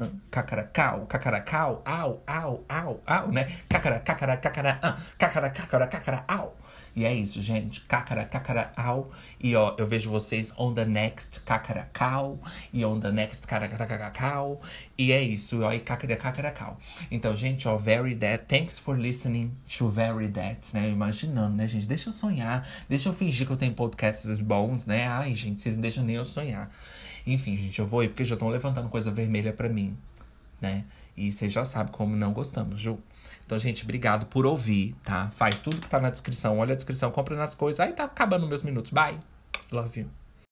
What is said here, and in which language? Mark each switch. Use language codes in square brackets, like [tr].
[pt] Cacaracau, cacaracau, au, au, au, au, né? Cacaracacara, cacaraã, cacaracacara, cacara, au. E é isso, gente. Cacaracacara, au. E ó, eu vejo vocês [en] on the next [pt] cacaracau. E [en] on the next [pt] cacaracacau. E é isso, ó, e cacaracacaracau. Então, gente, ó, [en] very that. Thanks for listening to very that, né? [pt] Imaginando, né, gente? Deixa eu sonhar. Deixa eu fingir que eu tenho podcasts bons, né? Ai, gente, vocês não deixam nem eu sonhar. Enfim, gente, eu vou ir porque já estão levantando coisa vermelha pra mim, né? E vocês já sabem como não gostamos, Ju. Então, gente, obrigado por ouvir, tá? Faz tudo que tá na descrição. Olha a descrição, compra nas coisas. Aí tá acabando meus minutos. [en] Bye. Love you.